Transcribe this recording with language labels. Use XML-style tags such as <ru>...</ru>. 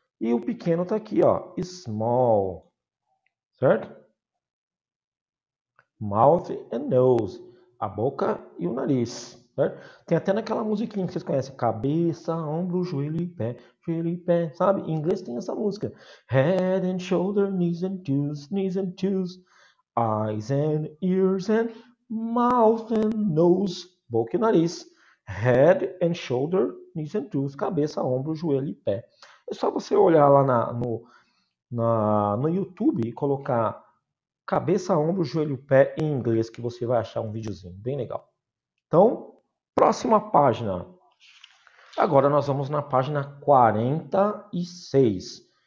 <pt>E o pequeno está aqui, ó, small, certo?</pt> <en>Mouth and nose,</en> <pt>a boca e o nariz, certo? Tem até naquela musiquinha que vocês conhecem, cabeça, ombro, joelho e pé, sabe? Em inglês tem essa música.</pt> <en>Head and shoulders, knees and toes, eyes and ears and mouth and nose,</en> <pt>boca e nariz.</pt> <en>Head and shoulders, knees and toes,</en> <pt>cabeça, ombro, joelho e pé. É só você olhar lá no YouTube e colocar cabeça, ombro, joelho, pé em inglês que você vai achar um videozinho bem legal. Então, próxima página. Agora nós vamos na página 46.</pt>